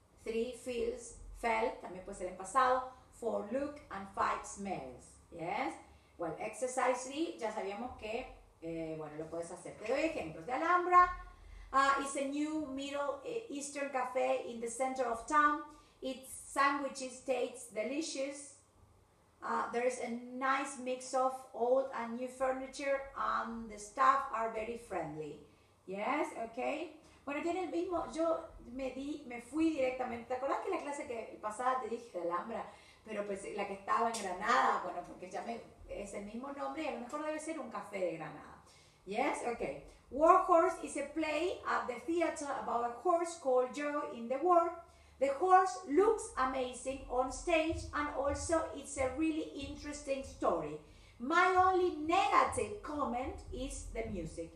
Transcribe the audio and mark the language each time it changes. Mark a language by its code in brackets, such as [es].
[en] Three, feels, felt, [es] también puede ser en pasado. [en] Four, look, and five, smells, yes. Well, exercise three, [es] ya sabíamos que, bueno, lo puedes hacer. Te doy ejemplos de Alhambra. [en] It's a new Middle Eastern cafe in the center of town. Its sandwiches taste delicious. There is a nice mix of old and new furniture, and the staff are very friendly. Yes, okay. [es] Bueno, tiene el mismo. Yo me fui directamente. ¿Te acordás que la clase que pasada te dije de Alhambra? Pero pues la que estaba en Granada, bueno, porque ya es el mismo nombre y a lo mejor debe ser un café de Granada. [en] Yes, okay. War Horse is a play at the theater about a horse called Joe in the war. The horse looks amazing on stage and also it's a really interesting story. My only negative comment is the music.